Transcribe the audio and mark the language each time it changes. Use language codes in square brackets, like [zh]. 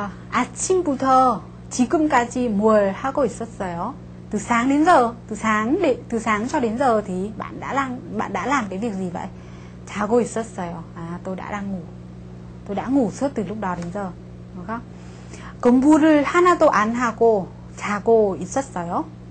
[ko] 아침부터 지금까지 뭘 하고 있었어요? [vi] Từ sáng đến giờ, từ sáng cho đến giờ thì bạn đã làm cái việc gì vậy? Chào cô sợ sợ. À, tôi đã đang ngủ. Tôi đã ngủ suốt từ lúc đó đến giờ. Đúng không? [ko] 공부를 하나도 안 하고 자고 있었어요.